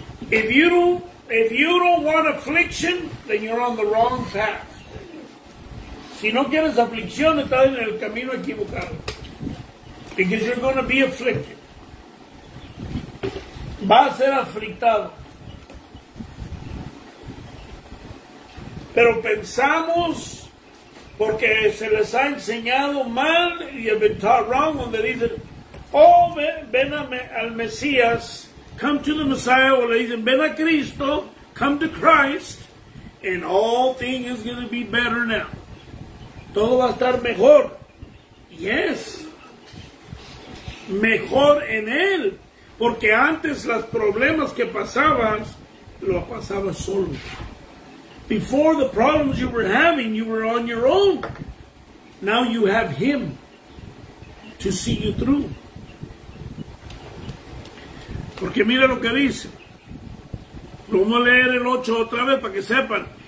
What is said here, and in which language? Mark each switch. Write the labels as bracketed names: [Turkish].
[English] If you don't want affliction, then you're on the wrong path. [Spanish] Si no quieres aflicción, estás en el camino equivocado. [English] Because you're going to be afflicted. [Spanish] Va a ser aflictado. Pero pensamos, porque se les ha enseñado mal, y [English] have been taught wrong, [Spanish] donde dicen, oh, ven al Mesías, [English] come to the Messiah, [Spanish] o le dicen, ven a Cristo, [English] come to Christ, and all things is going to be better now. [Spanish] Todo va a estar mejor. Yes. Mejor en Él. Porque antes los problemas que pasabas, lo pasabas solo. [English] Before the problems you were having, you were on your own. Now you have Him to see you through. [Spanish] Porque mira lo que dice. Lo vamos a leer el 8 otra vez para que sepan.